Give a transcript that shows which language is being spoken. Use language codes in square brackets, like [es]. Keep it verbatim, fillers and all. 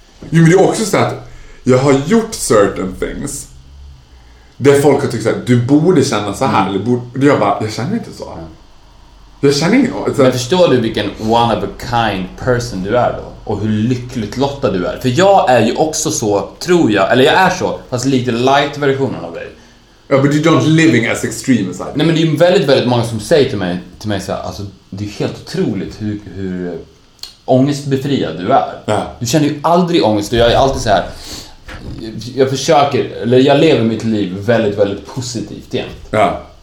[sv] Jo, men det är också så att jag har gjort [en] certain things [sv] där folk har tyckt såhär, du borde känna så här. Mm. Borde, jag bara, jag känner inte så. Mm. Jag känner inte så. Men förstår du vilken [en] one of a kind [sv] person du är då? Och hur lyckligt lottad du är? För jag är ju också så, tror jag. Eller jag är så, fast lite light-versionen av dig. Ja, [en] yeah, but you don't living as extreme as I do. [sv] Nej, men det är ju väldigt, väldigt många som säger till mig, till mig så här, alltså, det är helt otroligt hur, hur ångestbefriad du är. [en] Yeah. [sv] Du känner ju aldrig ångest och jag är alltid så här. Jag försöker, eller jag lever mitt liv väldigt, väldigt positivt igen. Ja.